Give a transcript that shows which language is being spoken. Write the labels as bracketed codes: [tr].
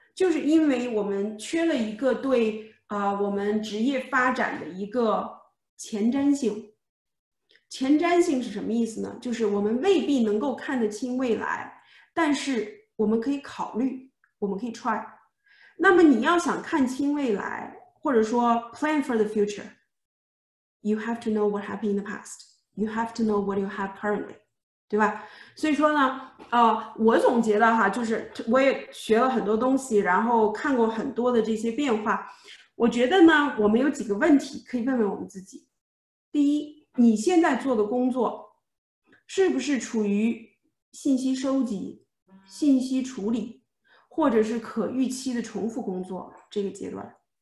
[zh] 就是因为我们缺了一个对我们职业发展的一个前瞻性。前瞻性是什么意思呢？就是我们未必能够看得清未来，但是我们可以考虑，我们可以 try。那么你要想看清未来，或者说 [en] plan for the future， you have to know what happened in the past， you have to know what you have currently， [zh] 对吧？所以说呢我总结的哈，就是我也学了很多东西，然后看过很多的这些变化。我觉得呢，我们有几个问题可以问问我们自己。第一，你现在做的工作是不是处于信息收集、信息处理或者是可预期的重复工作这个阶段？